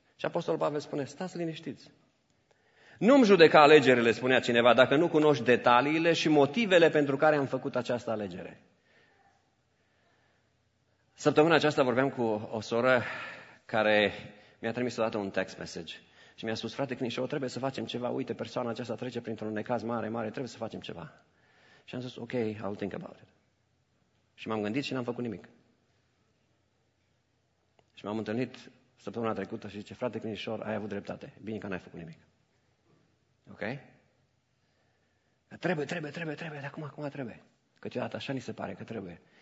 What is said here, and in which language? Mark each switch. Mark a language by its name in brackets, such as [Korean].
[Romanian] Și Apostolul Pavel spune, stați liniștiți. Nu-mi judeca alegerile, spunea cineva, dacă nu cunoști detaliile și motivele pentru care am făcut această alegere. Săptămâna aceasta vorbeam cu o soră care mi-a trimis odată un text message. Și mi-a spus, frate Crișo, trebuie să facem ceva, uite, persoana aceasta trece printr-un necaz mare, mare, trebuie să facem ceva. Și am zis, [English] ok, I'll think about it. [Romanian] Și m-am gândit și n-am făcut nimic. Și m-am întâlnit săptămâna trecută și zice, frate Crișor, ai avut dreptate, bine că n-ai făcut nimic. Ok? Trebuie, dar acum trebuie. Câteodată așa ni se pare că trebuie.